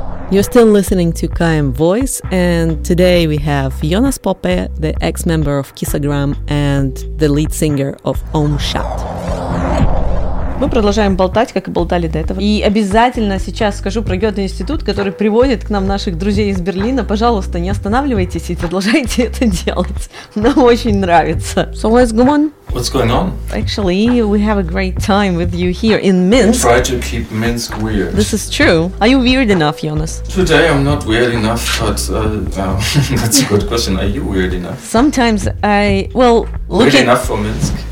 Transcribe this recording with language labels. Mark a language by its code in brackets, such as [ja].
[en] You're still listening to KM Voice, and today we have Jonas Poppe, the ex-member of Kissagram and the lead singer of Om Shat. [ru] Мы продолжаем болтать, как и болтали до этого. И обязательно сейчас скажу про Гёте-институт, который приводит к нам наших друзей из Берлина. Пожалуйста, не останавливайтесь и продолжайте это делать. Нам очень нравится. [en] So let's go on. What's going on? Actually, we have a great time with you here in Minsk. Try to keep Minsk weird. This is true. Are you weird enough, Jonas? Today I'm not weird enough, but that's a good question. Are you weird enough? Sometimes I... Well, weird look at... enough for Minsk?